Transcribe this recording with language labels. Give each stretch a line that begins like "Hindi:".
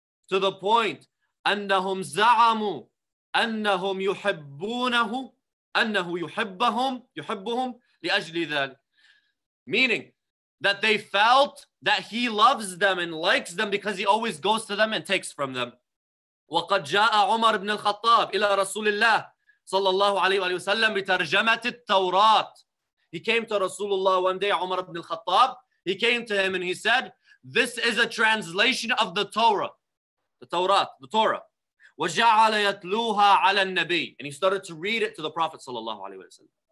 English: To the point,
Arabic: أنهم زعموا أنهم يحبونه أنه يحبهم لأجل ذلك.
English: Meaning that they felt that he loves them and likes them because he always goes to them and takes from them.
Arabic: وقد جاء عمر بن الخطاب إلى رسول الله صلى الله عليه وسلم بترجمة التوراة.
English: He came to Rasulullah one day, Umar ibn al-Khattab. He came to him and he said, this is a translation of the Torah. The Torah.
Arabic: وَجَعَلَ يَتْلُوهَا عَلَى النَّبِيِّ.
English: And he started to read it to the Prophet sallallahu alayhi wa sallam.